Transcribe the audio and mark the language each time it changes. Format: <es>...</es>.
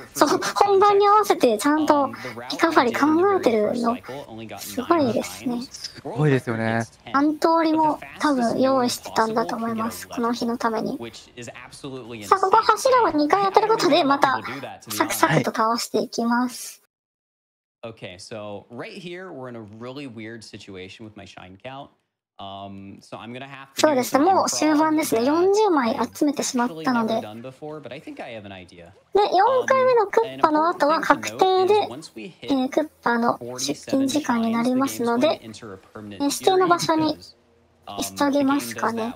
<ja>そう、本番に合わせてちゃんとリカバリ考えてるの、すごいですね。すごいですよね。何通りも多分用意してたんだと思います、この日のために。さあ、ここ柱を2回当てることで、またサクサクと倒していきます。はい、</ja> <en>Okay, so right here we're in a really weird situation with my shine count. So I'm gonna have to.</en> <ja>そうですね、もう終盤ですね。40枚集めてしまったので。で、4回目のクッパの後は確定で、クッパの出勤時間になりますので、指定の場所に急ぎますかね。</ja>